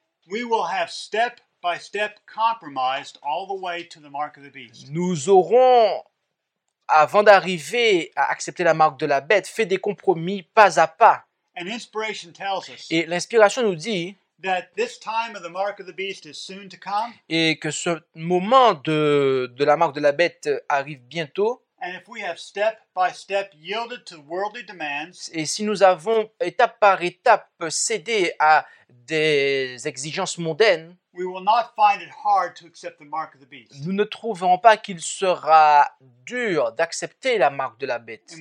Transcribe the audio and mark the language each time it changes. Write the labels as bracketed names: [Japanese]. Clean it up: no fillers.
[English] We will have step by step compromised all the way to the mark of the beast. [French] Nous aurons, avant d'arriver à accepter la marque de la bête, fait des compromis pas à pas. [English] And inspiration tells us, [French] et l'inspiration nous dit, [English] that this time of the mark of the beast is soon to come, [French] et que ce moment de la marque de la bête arrive bientôt. [English] And if we have step by step yielded to worldly demands, [French] et si nous avons étape par étape cédé à des exigences mondaines, [English] we will not find it hard to accept the mark of the beast. [French] Nous ne trouverons pas qu'il sera dur d'accepter la marque de la bête.